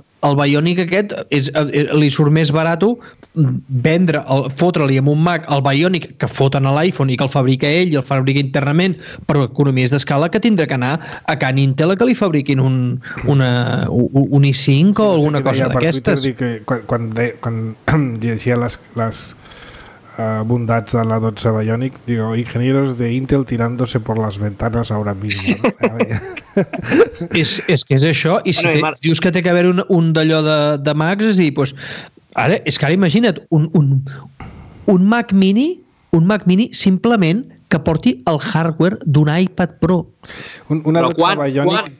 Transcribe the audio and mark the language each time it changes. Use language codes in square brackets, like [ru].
[ca] El Bionic aquest li surt més barat vendre, fotre-li amb un Mac el Bionic que foten a l'iPhone i que el fabrica ell i el fabrica internament per economies d'escala, que tindrà que anar a Can Intel a que li fabriquin un i5 sí, o alguna cosa d'aquestes. Quan llegia les bondats de la 12 Bionic, [es] digo, ingenieros de Intel tirándose por las ventanas ahora mismo. ¿No? [ca] és que és això, i si dius que té que haver un d'allò de Macs, és a dir, pues, ara, és que ara imagina't un Mac mini simplement que porti el hardware d'un iPad Pro. Una 12 Bionic...